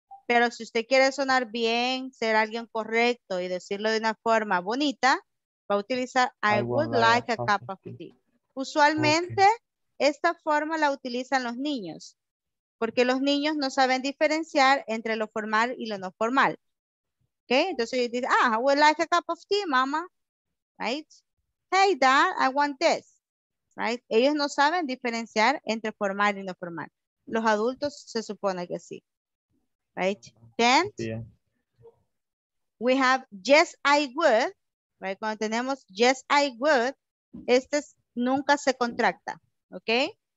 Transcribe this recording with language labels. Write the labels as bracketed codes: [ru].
[es] Pero si usted quiere sonar bien, ser alguien correcto y decirlo de una forma bonita, va a utilizar [en] I would like a cup of tea. [es] Usualmente, okay, esta forma la utilizan los niños, porque los niños no saben diferenciar entre lo formal y lo no formal. [en] Okay? [es] Entonces, you dice, ah, [en] I would like a cup of tea, mama. Right? Hey, dad, I want this. Right? [es] Ellos no saben diferenciar entre formal y no formal. Los adultos se supone que sí. [en] Right? Then, yeah, we have yes, I would. Right? [es] Cuando tenemos [en] yes, I would, [es] este es, nunca se contracta. Okay?